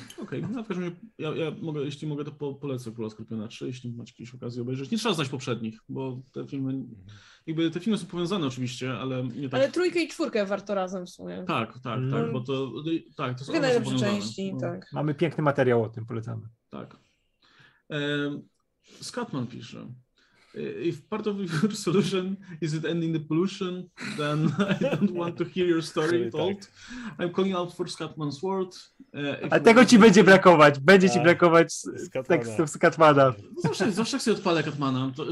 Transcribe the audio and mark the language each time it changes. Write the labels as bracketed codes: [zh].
[pl] Okej, okay, no w każdym razie ja mogę, jeśli mogę, to polecę Króla Skorpiona 3, jeśli macie jakieś okazję obejrzeć. Nie trzeba znać poprzednich, bo te filmy. Jakby te filmy są powiązane oczywiście, ale nie tak. Ale trójkę i czwórkę warto razem w sumie. Tak, bo to. Tak, to są najlepsze części, no. Tak. Mamy piękny materiał o tym, polecamy. Tak. Scatman pisze. [en] If part of your solution is it ending the pollution, then I don't want to hear your story told. I'm calling out for Scatman's word. [pl] A tego ci będzie brakować. Będzie ci brakować tekstów Scatmana. Zawsze jak sobie odpalę Catmana.